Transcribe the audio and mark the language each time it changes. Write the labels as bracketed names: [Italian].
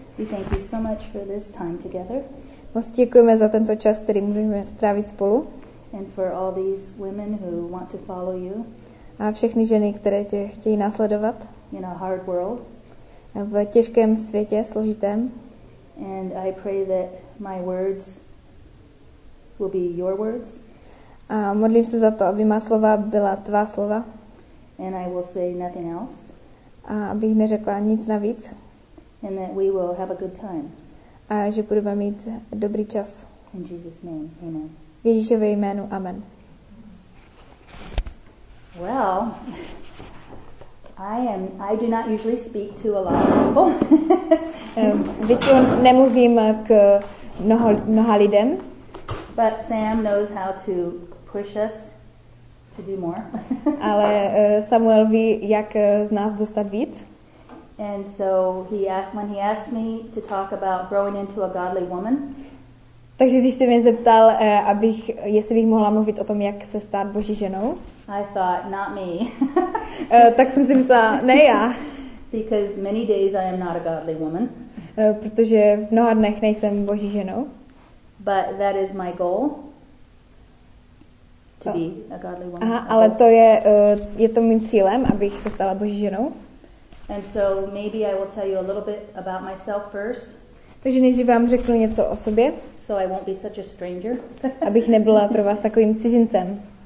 [English] we thank you so much for this time together. [Czech] Moc děkujeme za tento čas, který můžeme strávit spolu. [English] And for all these women who want to follow you. [Czech] A všechny ženy, které tě chtějí následovat. [English] In a hard world. [Czech] V těžkém světě, složitém. [English] And I pray that my words will be your words. [Czech] A modlím se za to, aby má slova byla tvá slova. [English] And I will say nothing else. [Czech] A abych neřekla nic navíc. [English] And that we will have a good time. [Czech] A že budeme mít dobrý čas. [English] In Jesus' name, amen. [Czech] V Ježíšově jménu, amen. [English] Well, I do not usually speak to a lot of people. [Czech] Většinou nemluvím k mnoha lidem. [English] But Sam knows how to push us to do more. [Czech] Ale Samuel ví, jak z nás dostat víc. [English] And so he asked, when he asked me to talk about growing into a godly woman. [Czech] Takže když jsi mě zeptal, jestli bych mohla mluvit o tom, jak se stát Boží ženou. [English] I thought, not me. [Czech] Tak jsem si myslela, ne já. [English] Because many days I am not a godly woman. [Czech] Protože v mnoha dnech nejsem Boží ženou. [English] But that is my goal. To be a godly woman. [Czech] Aha, ale to je, je to mým cílem, abych se stala Boží ženou. [English] And so maybe I will tell you a little bit about myself first. [Czech] Takže nejdřív vám řeknu něco o sobě. [English] So I won't be such a stranger. [Czech] Abych nebyla pro vás takovým cizincem.